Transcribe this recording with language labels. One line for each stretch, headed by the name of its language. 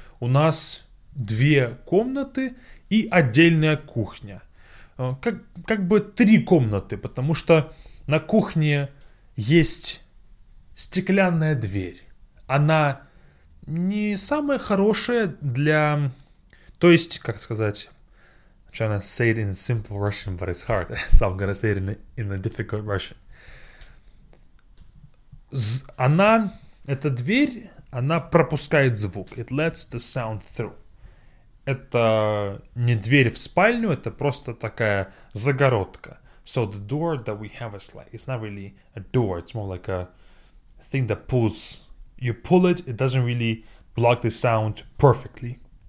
Russian: У нас две комнаты и отдельная кухня. Как бы три комнаты, потому что на кухне есть стеклянная дверь. Она не самая хорошая для... То есть, как сказать...
English: I'm trying to say it in a simple Russian, but it's hard. So I'm gonna say it in a difficult Russian.
Russian: Она, эта дверь, она пропускает звук.
English: It lets the sound through.
Russian: Это не дверь в спальню, это просто такая загородка.
English: So the door that we have is like, it's not really a door, it's more like a thing that pulls. You pull it, it doesn't really block the sound perfectly.